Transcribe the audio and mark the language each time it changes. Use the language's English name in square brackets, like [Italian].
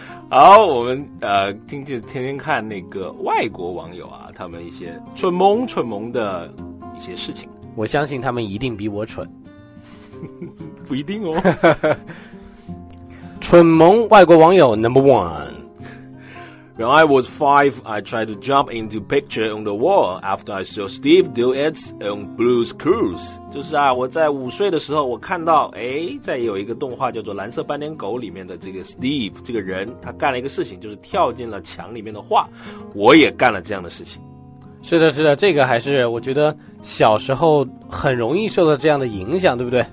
[Chinese] 好，我们天天看那个外国网友啊，他们一些蠢萌蠢萌的一些事情。我相信他们一定比我蠢，不一定哦。蠢萌外国网友 [English] number one. When I was five, I tried to jump into picture on the wall after I saw Steve do it on Blue's Clues. [Chinese] 就是啊，我在五岁的时候，我看到哎，在有一个动画叫做《蓝色斑点狗》里面的这个 Steve 这个人，他干了一个事情，就是跳进了墙里面的画。我也干了这样的事情。是的，是的，这个还是我觉得小时候很容易受到这样的影响，对不对？